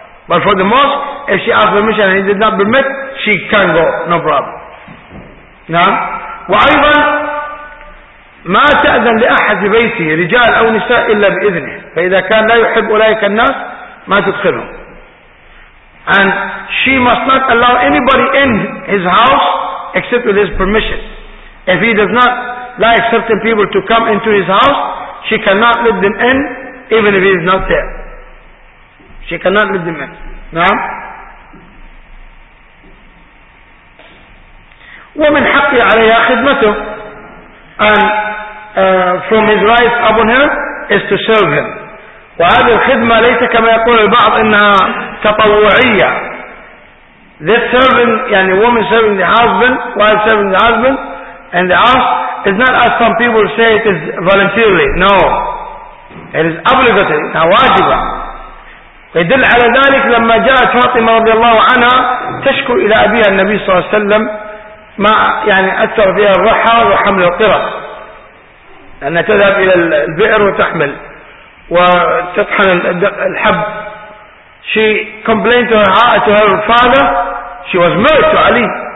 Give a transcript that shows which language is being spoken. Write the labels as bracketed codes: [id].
[en] But for the mosque, if she asked permission and he did not permit, she can go, no problem. [ar] نعم. وأيضا ما تأذن لأحد بيته رجال أو نساء إلا بإذنه, فإذا كان لا يحب أولئك الناس ما تدخلهم. [en] And she must not allow anybody in his house except with his permission. If he does not like certain people to come into his house, she cannot let them in, even if he is not there. She cannot let them in. نعم. [ar] ومن حقي عليها خدمته. [en] And from his rights upon her is to serve him. [ar] وهذه الخدمة ليس كما يقول البعض إنها تطوعية. [en] This serving, يعني woman serving the husband, wife serving the husband and the house, is not as some people say it is voluntarily. No. It is obligatory. It is واجبة. [ar] يدل على ذلك لما جاءت فاطمة رضي الله عنها تشكو إلى أبيها النبي صلى الله عليه وسلم ما يعني أثر فيها الرحى وحمل القرص. لأنها تذهب إلى البئر وتحمل وتطحن الحب. [en] She complained to her father. She was married to Ali.